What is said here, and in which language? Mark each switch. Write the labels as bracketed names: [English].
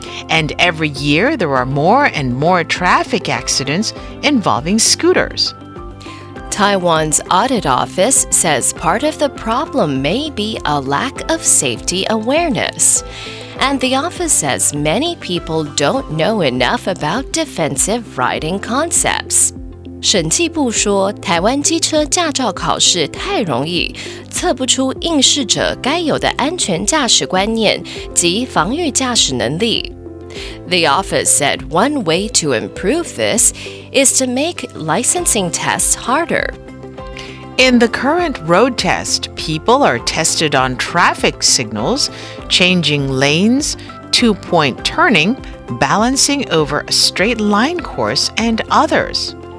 [English] And every year, there are more and more traffic accidents involving scooters. Taiwan's audit office says part of the problem may be a lack of safety awareness. And the office says many people don't know enough about defensive riding concepts. [Chinese] 审计部说台湾机车驾照考试太容易，测不出应试者该有的安全驾驶观念及防御驾驶能力。 [English] The office said one way to improve this is to make licensing tests harder. In the current road test, people are tested on traffic signals, changing lanes, two-point turning, balancing over a straight line course, and others.